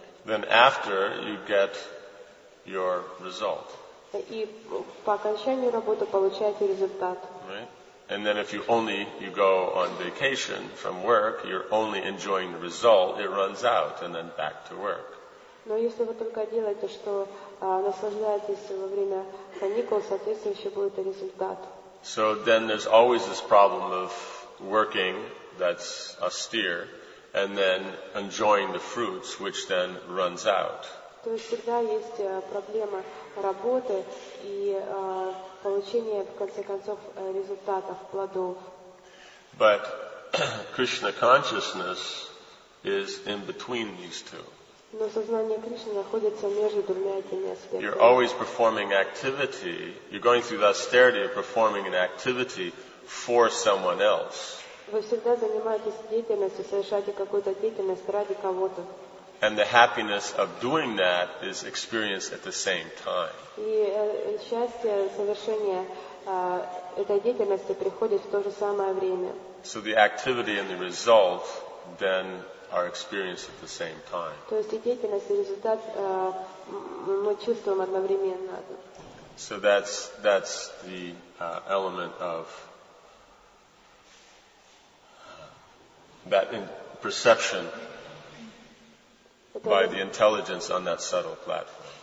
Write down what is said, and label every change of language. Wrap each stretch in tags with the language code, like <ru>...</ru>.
<en>Then after you get your result.</en> <ru>И по окончанию работы получаете результат.</ru> <en>Right? And then if you go on vacation from work, you're only enjoying the result, it runs out, and then back to work.</en> <ru>Но если вы только делаете, что наслаждаетесь во время каникул, соответственно, еще будет результат.</ru> <en>So then there's always this problem of working that's austere, and then enjoying the fruits, which then runs out.</en> <ru>То есть всегда есть проблема работы и получения, в конце концов, результатов, плодов.</ru> <en>But Krishna consciousness is in between these two.</en> <ru>Но сознание Кришны находится между двумя этими аспектами.</ru> <en>You're always performing activity. You're going through the austerity of performing an activity for someone else.</en> <ru>Вы всегда занимаетесь деятельностью, совершаете какую-то деятельность ради кого-то.</ru> <en>And the happiness of doing that is experienced at the same time.</en> <ru>И счастье совершения этой деятельности приходит в то же самое время.</ru> <en>So the activity and the result then are experienced at the same time.</en> <ru>То есть и деятельность, и результат мы чувствуем одновременно.</ru> <en>So that's the element of that in perception by the intelligence on that subtle platform.</en>